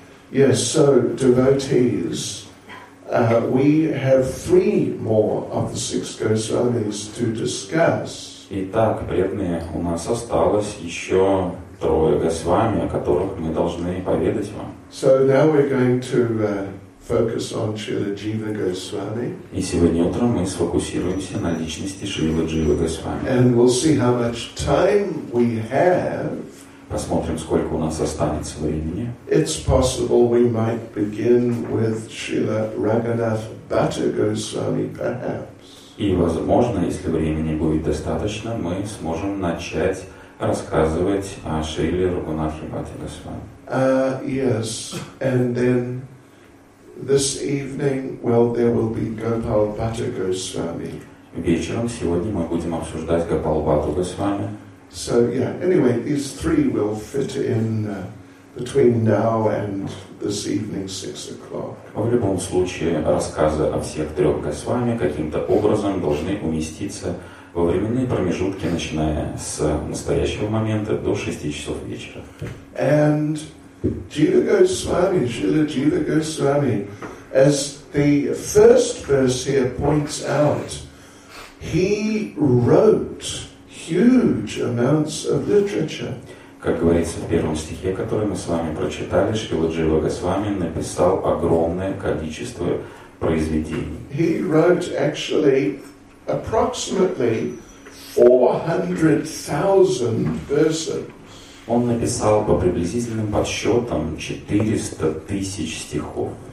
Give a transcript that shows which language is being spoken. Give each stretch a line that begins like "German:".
English: Yes, so devotees, we have three more of the six Goswamis to discuss.
Russian: Итак, преданные, у нас осталось еще трое Госвами, о которых мы должны поведать вам.
English: So now we're going to focus on Śrīla Jīva Gosvāmī.
Russian: И сегодня утром мы сфокусируемся на личности Śrīla Jīva Gosvāmī.
English: And we'll see how much time we have.
Russian: Посмотрим, сколько у нас останется времени.
English: It's possible we might begin with Śrīla Raghunath Bhatta Gosvāmī, perhaps.
Russian: И, возможно, если времени будет достаточно, мы сможем начать рассказывать о Шриле Рагунатхе Бхатте Госвами.
English: Yes, and then this evening, well, there will be Gopal Bhatta Goswami.
Russian: Вечером сегодня мы будем обсуждать Гопал Бхатту Госвами.
English: So, yeah, anyway, these three will fit in between now and this evening, 6 o'clock.
Russian: В любом случае, рассказы о всех трех Госвами каким-то образом должны уместиться во временные промежутки, начиная с настоящего момента до 6 часов вечера.
English: And Jiva Goswami, Śrīla Jīva Gosvāmī, as the first verse here points out, he wrote huge amounts of literature.
Russian: Как говорится в первом стихе, который мы с вами прочитали, Śrīla Jīva Gosvāmī написал огромное количество произведений.
English: He wrote actually approximately 400,000 verses.
Russian: Он написал по приблизительным подсчетам 400,000 стихов.